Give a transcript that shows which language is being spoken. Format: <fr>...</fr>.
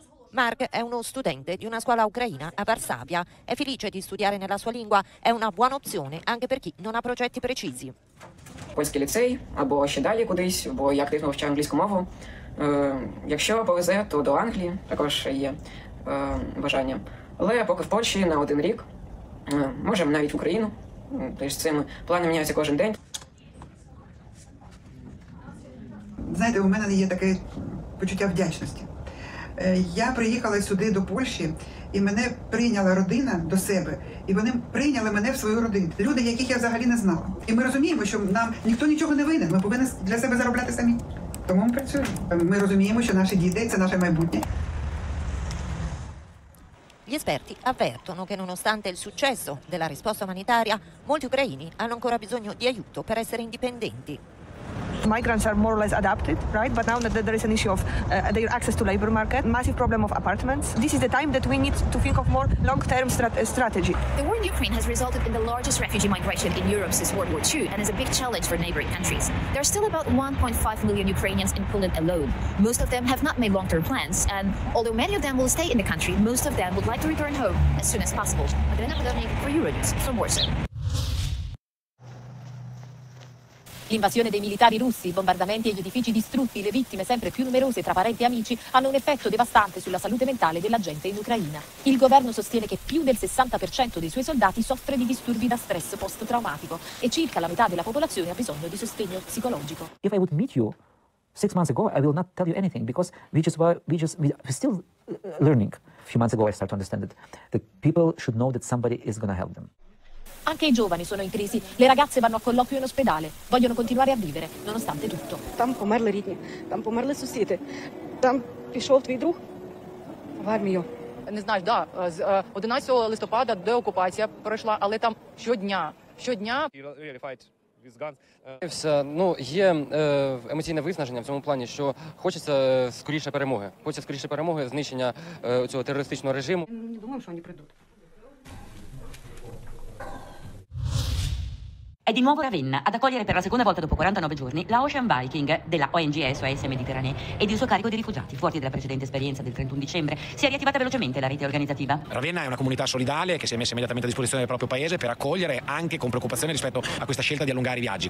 <it>Mark è uno studente di una scuola ucraina a Varsavia. È felice di studiare nella sua lingua. È una buona opzione anche per chi non ha progetti precisi.</it> <uk>Польський ліцей або ще далі кудись, бо я активно вчаю англійську мову. Якщо повезе, то до Англії також є бажання. Але поки в Польщі на один рік, може навіть в Україну. Тож це плани міняються кожен день. Знаєте, у мене є таке почуття вдячності. Я приїхала сюди до Польщі, і мене прийняла родина до себе, і вони прийняли мене в свою родину. Люди, яких я взагалі не знала. І ми розуміємо, що нам ніхто нічого не винен, ми повинні для себе заробляти самі. Тому ми працюємо. Ми розуміємо, що наші діти – це наше майбутнє.</uk> <it>Gli esperti avvertono che nonostante il successo della risposta umanitaria, molti ucraini hanno ancora bisogno di aiuto per essere indipendenti.</it> <en>Migrants are more or less adapted, right? But now that there is an issue of their access to labor market, massive problem of apartments. This is the time that we need to think of more long-term strategy. The war in Ukraine has resulted in the largest refugee migration in Europe since World War II and is a big challenge for neighboring countries. There are still about 1.5 million Ukrainians in Poland alone. Most of them have not made long-term plans, and although many of them will stay in the country, most of them would like to return home as soon as possible. Adriana Podolnik for Euronews from Warsaw.</en> <it>L'invasione dei militari russi, i bombardamenti e gli edifici distrutti, le vittime sempre più numerose tra parenti e amici, hanno un effetto devastante sulla salute mentale della gente in Ucraina. Il governo sostiene che più del 60% dei suoi soldati soffre di disturbi da stress post-traumatico e circa la metà della popolazione ha bisogno di sostegno psicologico.</it> <en>If I would meet you 6 months ago, I will not tell you anything because we're still learning. A few months ago I started to understand that people should know that somebody is going to help them.</en> <it>Anche i giovani sono in crisi. Le ragazze vanno a colloquio in ospedale. Vogliono continuare a vivere, nonostante tutto.</it> <uk>Там померли рідні, там померли сусіди. Там пішов твій друг в армію. Не знаєш, да, з 11 листопада деокупація пройшла, але там щодня. Ну, є емоційне виснаження в цьому плані, що хочеться скоріше перемоги. Хочеться скоріше перемоги, знищення цього терористичного режиму. Не думаю, що вони прийдуть.</uk> <it>È di nuovo Ravenna ad accogliere per la seconda volta dopo 49 giorni la Ocean Viking della ONG SOS Mediterranee ed il suo carico di rifugiati. Fuori dalla precedente esperienza del 31 dicembre, si è riattivata velocemente la rete organizzativa. Ravenna è una comunità solidale che si è messa immediatamente a disposizione del proprio paese per accogliere, anche con preoccupazione rispetto a questa scelta di allungare i viaggi.</it>